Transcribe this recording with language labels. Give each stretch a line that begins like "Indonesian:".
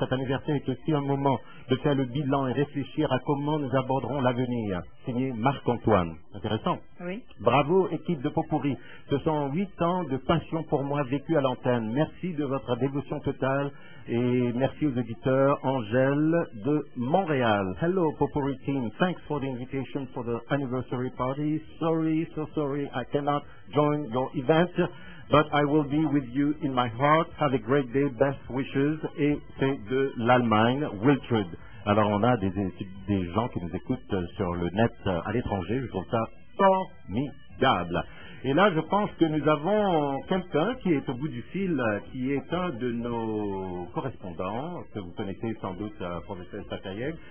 French: Cet anniversaire est aussi un moment de faire le bilan et réfléchir à comment nous aborderons l'avenir. Signé Marc-Antoine. Intéressant. Oui. Bravo, équipe de Potpourri. Ce sont 8 ans de passion pour moi vécue à l'antenne. Merci de votre dévotion totale et merci aux auditeurs.
English: Angèle de Montréal. Hello, Potpourri team. Thanks for the invitation for the anniversary party. Sorry, so sorry, I cannot join your event. But I will be with you in my heart. Have a great day. Best wishes.
French: Et c'est de l'Allemagne,
English: Wiltrud.
French: Alors, on a des gens qui nous écoutent sur le net à l'étranger. Je trouve ça formidable. Et là, je pense que nous avons quelqu'un qui est au bout du fil, qui est un de nos correspondants, que vous connaissez sans doute, professeur Sakayeg.